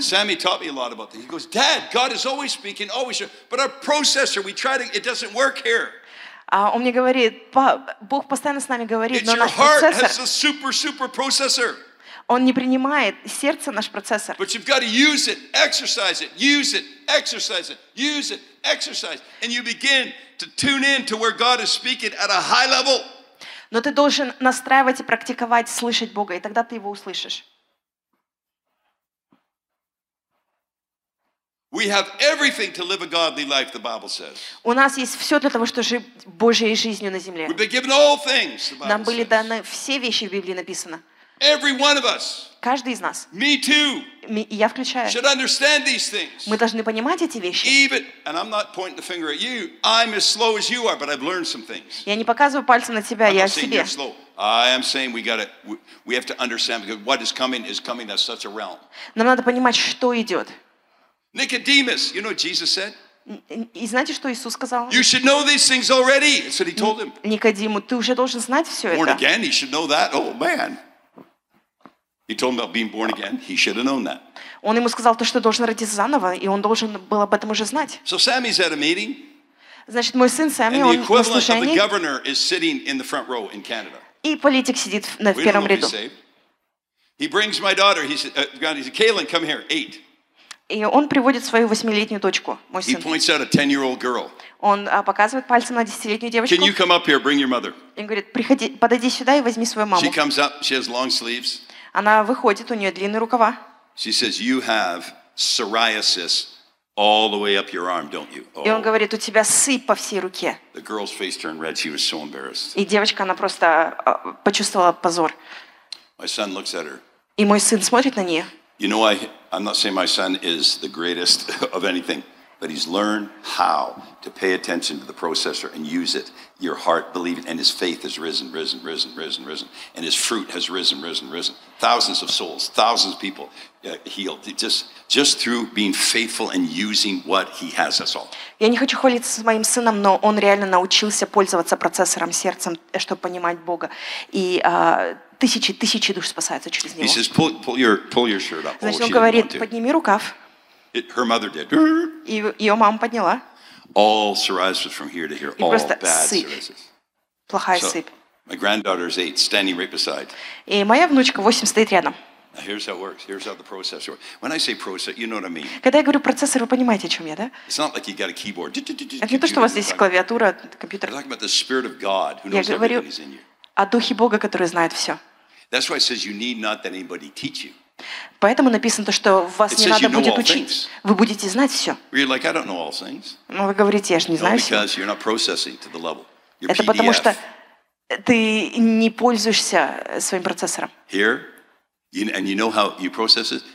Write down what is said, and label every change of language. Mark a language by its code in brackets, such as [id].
[en] Sammy taught me a lot about that. He goes, Dad, God is always speaking, always. But our processor, we try to, it doesn't work here. [ru] Он мне говорит, Бог постоянно с нами говорит, но наш процессор. [en] Your heart has a super, super processor. [ru] Он не принимает сердце наш процессор. [en] But you've got to use it, exercise it, use it, exercise it, use it, exercise, and you begin. To tune in to where God is speaking at a high level. [ru] Но ты должен настраивать и практиковать слышать Бога, и тогда ты его услышишь. [en] We have everything to live a godly life, the Bible says. [ru] У нас есть все для того, чтобы жить Божьей жизнью на земле. [en] We've been given all things. The Bible [ru] Нам были даны все вещи в Библии написано. [en] Every one of us. [ru] Каждый из нас. [en] Me too. [ru] Я включаю. [en] Should understand these things. [ru] Мы должны понимать эти вещи. [en] Even, and I'm not pointing the finger at you. I'm as slow as you are, but I've learned some things. [ru] Я не показываю пальцем на тебя, я себе. [en] You're slow. I am saying we have to understand because what is coming. That's such a realm. [ru] Нам надо понимать, что идет. [en] Nicodemus, you know what Jesus said? [ru] И знаете, что Иисус сказал? [en] You should know these things already. That's what he told him. [ru] Никодиму, ты уже должен знать все это. [en] Born again, he should know that. Oh man. He told him about being born again. He should have known that. [ru] Он ему сказал то, что должен родиться заново, и он должен был об этом уже знать. [en] So Sammy's at a meeting. [ru] Значит, мой сын Сэмми, он на слушании. [en] And the equivalent of the governor is sitting in the front row in Canada. [ru] И политик сидит в первом ряду. [en] He brings my daughter. He said, "Kaylin, come here, 8." [ru] И он приводит свою восьмилетнюю дочку, мой [en] He [ru] сын. [en] Points out a 10-year-old girl. [ru] Он показывает пальцем на десятилетнюю девочку. [en] Can you come up here, bring your mother? [ru] И говорит, приходи, подойди сюда и возьми свою маму. [en] She comes up, she has long sleeves. [ru] Она выходит, у нее длинные рукава. [en] She says, you have psoriasis all the way up your arm, don't you? [ru] Oh. И он говорит, у тебя сыпь по всей руке. [en] The girl's face turned red. She was so embarrassed. [ru] И девочка, она просто почувствовала позор. [en] My son looks at her. [ru] И мой сын смотрит на нее. [en] You know, I'm not saying my son is the greatest of anything, but he's learned how to pay attention to the processor and use it. Your heart, believe it, and his faith has risen, and his fruit has risen. Thousands of souls, thousands of people healed just through being faithful and using what he has us all. [ru] Я не хочу хвалиться с моим сыном, но он реально научился пользоваться процессором сердцем, чтобы понимать Бога. И тысячи душ спасаются через него. [en] He says, pull your shirt up. [ru] Значит, он говорит, подними рукав. [en] Her mother did. [ru] И ее мама подняла. [en] All psoriasis from here to here. All bad psoriasis. [ru] Плохая сыпь. [en] My granddaughter is 8, standing right beside. [ru] И моя внучка 8 стоит рядом. [en] Now here's how it works. Here's how the process works. When I say process, you know what I mean. [ru] Когда я говорю процессор, вы понимаете, о чем я, да? [en] It's not like you got a keyboard. [ru] Это не то, что у вас здесь клавиатура, компьютер. [en] I'm talking about the Spirit of God, who knows everything is in you. [ru] О Духе Бога, который знает все. [en] That's why it says you need not that anybody teach you. [ru] Поэтому написано то, что вас не надо будет учить. Вы будете знать все. [en] You're like, I don't know all things. [ru] Но вы говорите, я же не знаю все. [en] Because you're not processing to the level. [ru] Это потому что ты не пользуешься своим процессором. [en] Here, and you know how you process it?